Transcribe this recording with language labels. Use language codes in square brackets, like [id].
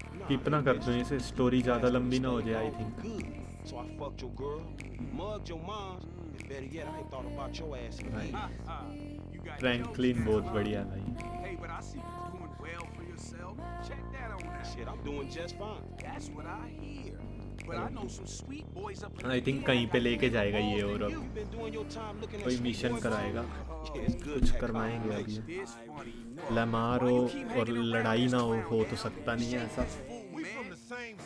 [hi] कितना कर दूं इसे, स्टोरी ज्यादा लंबी ना हो जाए। I think [en] So I fucked your girl, mugged your mom, and better yet, I ain't thought about your ass. Franklin, both buddy, and I. Hey, but I see you doing well for yourself. Check that out. Shit, I'm doing just fine. That's what I hear. But I know some sweet boys up here. I think [hi] कहीं पे लेके जाएगा ये, और कोई mission कराएगा, कुछ करवाएंगे अभी। लेमार हो और लड़ाई ना हो, हो तो सकता नहीं है ऐसा।